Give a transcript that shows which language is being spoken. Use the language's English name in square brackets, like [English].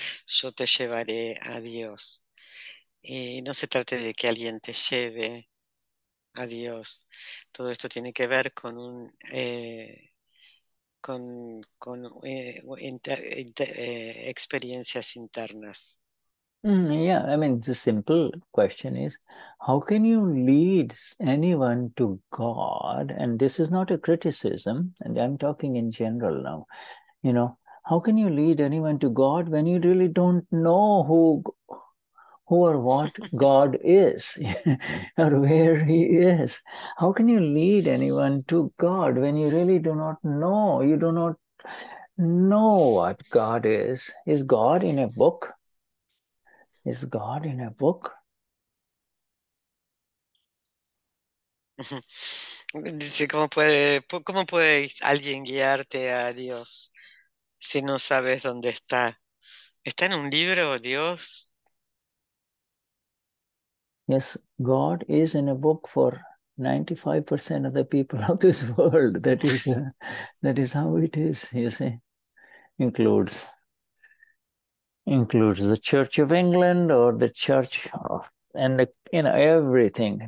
[Spanish] Yo te llevaré a Dios. Y no se trate de que alguien te lleve a Dios. Todo esto tiene que ver con un experiencias internas. [English] Yeah, I mean, the simple question is, how can you lead anyone to God? And this is not a criticism, and I'm talking in general now. You know, how can you lead anyone to God when you really don't know who or what God is, or where he is? How can you lead anyone to God when you really do not know? You do not know what God is. Is God in a book? Is God in a book? [Spanish] Dice, ¿cómo puede alguien guiarte a Dios si no sabes dónde está? ¿Está en un libro, Dios? [English] Yes, God is in a book for 95% of the people of this world. That is how it is, you see. Includes the Church of England or the Church of, and the, you know, everything.